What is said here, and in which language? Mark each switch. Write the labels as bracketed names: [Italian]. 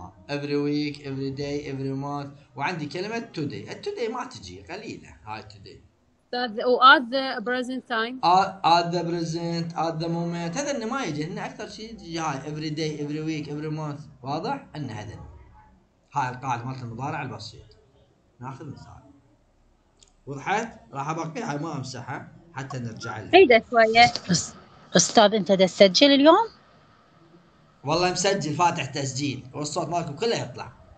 [English] Every week, every day, every month, وعندي كلمة today. [Arabic] التو داي ما تجي، قليلة هاي تو داي. [English] At the present time. At the present, at the moment. [Arabic] هذا إنه ما يجي، إنه أكثر شيء يجي هاي [English] every day, every week, every month. [Arabic] واضح؟ إن هذا هاي القاعدة مالت المضارع البسيط. ناخذ مثال. وضحت؟ راح أبقي هاي ما أمسحها حتى نرجع لها. هيدا شوية. أستاذ أنت ده تسجل اليوم؟ والله مسجل، فاتح تسجيل، والصوت مالكم كله يطلع.